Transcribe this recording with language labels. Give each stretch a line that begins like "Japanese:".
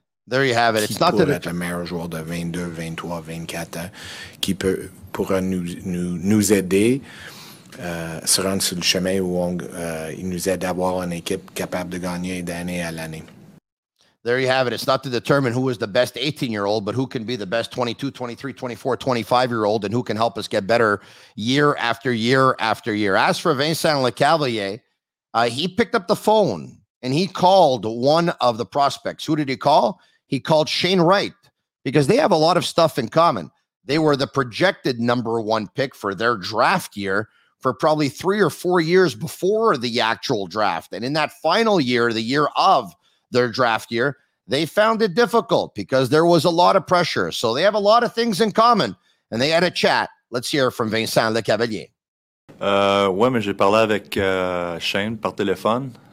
English: There you have it. It's not that the
French: meilleur joueur de 22, 23, 24 ans qui pourra nous aider se rendre sur le chemin où on, il nous aide à avoir une équipe capable de gagner d'année à l'année.
English: There you have it. It's not to determine who is the best 18-year-old, but who can be the best 22, 23, 24, 25-year-old and who can help us get better year after year after year. As for Vincent Lecavalier, he picked up the phone and he called one of the prospects. Who did he call? He called Shane Wright because they have a lot of stuff in common. They were the projected number one pick for their draft year for probably 3 or 4 years before the actual draft. And in that final year, the year of their draft year, they found it difficult because there was a lot of pressure. So they have a lot of things in common. And they had a chat. Let's hear from Vincent Lecavalier.
French: Ouais, mais j'ai parlé avec Shane par téléphone.